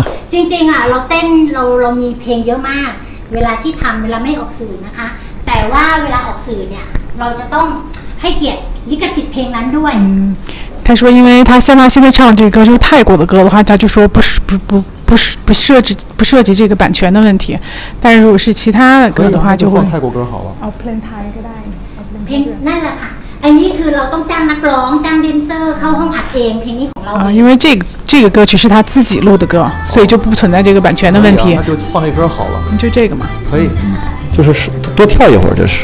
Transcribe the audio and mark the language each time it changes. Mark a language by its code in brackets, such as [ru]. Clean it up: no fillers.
[zh] 静静啊，老丹，老米平有吗？ [th] เวลาที่ทำเวลาไม่ออกสื่อนะคะแต่ว่าเวลาออกสื่อเนี่ยเราจะต้องให้เกียรติลิขสิทธิ์เพลงนั้นด้วย。 [zh] 他说因为他像他现在唱的这个歌就是泰国的歌的话，他就说不涉及这个版权的问题，但是如果是其他的歌的话就会泰国歌好了。哦 [en] plan Thai [zh] 可以那个 [th] ค่ะ อันนี้คือเราต้องจ้างนักร้องจ้างแดนเซอร์เข้าห้องอัดเองเพลงนี้ของเรา [zh] อ๋อ因为这个歌曲是他自己录的歌，所以就不存在这个版权的问题。那就换一首好了，就这个嘛，可以，就是多跳一会儿，这是